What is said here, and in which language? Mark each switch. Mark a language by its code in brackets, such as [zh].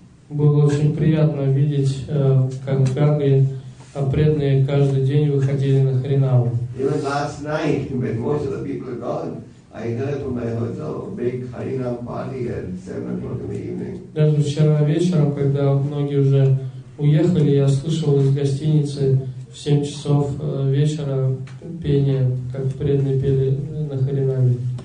[ru] Было очень приятно видеть, как в Гагре преданные каждый день выходили на Харинаму. [en] Even last night, when most of the people are gone, I heard from my hotel a big Harinam party at 7 o'clock in the evening. [ru] Даже вчера вечером, когда многие уже уехали, я слышал из гостиницы в 7 часов вечера пение, как преданные пели на Харинаме.